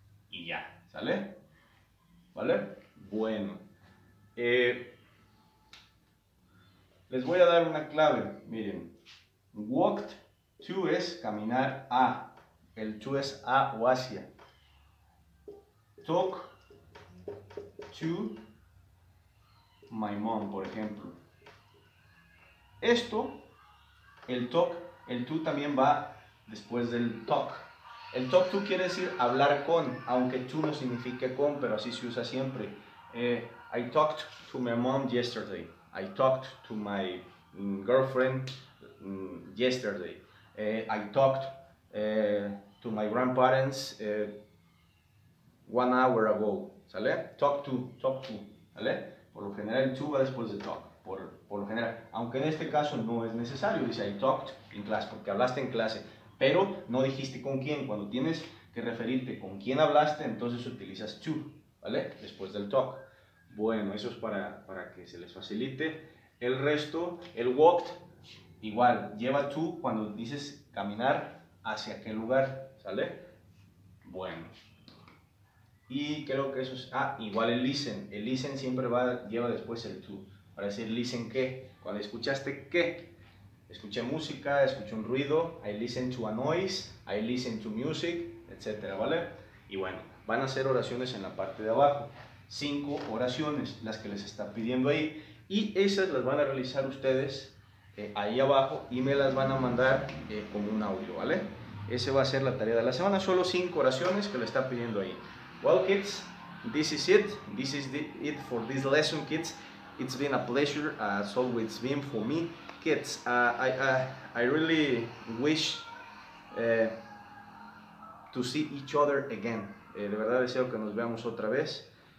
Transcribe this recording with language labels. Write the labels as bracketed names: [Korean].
[Spanish] Y ya, ¿sale? ¿Vale? Bueno, les voy a dar una clave, miren, walked to es caminar a, el to es a o hacia, [English] talk to my mom, [Spanish] por ejemplo, esto, el talk. El to también va después del talk. El talk to quiere decir hablar con, aunque to no signifique con, pero así se usa siempre. [English] I talked to my mom yesterday. I talked to my girlfriend yesterday. I talked to my grandparents 1 hour ago. [Spanish] ¿Sale? Talk to. ¿Sale? Por lo general, el to va después del talk. Por lo general, aunque en este caso no es necesario, dice [English] I talked in class, [Spanish] porque hablaste en clase, pero no dijiste con quién. Cuando tienes que referirte con quién hablaste, entonces utilizas to, ¿vale? Después del talk. Bueno, eso es para que se les facilite. El resto, el walked, igual, lleva to cuando dices caminar hacia qué lugar, ¿sale? Bueno. Y creo que eso es, igual el listen. El listen siempre lleva después el to. Para decir, listen qué. Cuando escuchaste qué. Escuché música, escuché un ruido. [English] I listen to a noise. I listen to music, etc. [Spanish] ¿Vale? Y bueno, van a hacer oraciones en la parte de abajo. 5 oraciones, las que les está pidiendo ahí. Y esas las van a realizar ustedes ahí abajo. Y me las van a mandar como un audio, ¿vale? Ese va a ser la tarea de la semana. Solo 5 oraciones que le está pidiendo ahí. [English] Well, kids, this is it. This is it for this lesson, kids. It's been a pleasure, as always it's been for me. Kids, I really wish to see each other again. [Spanish] De verdad deseo que nos veamos otra vez.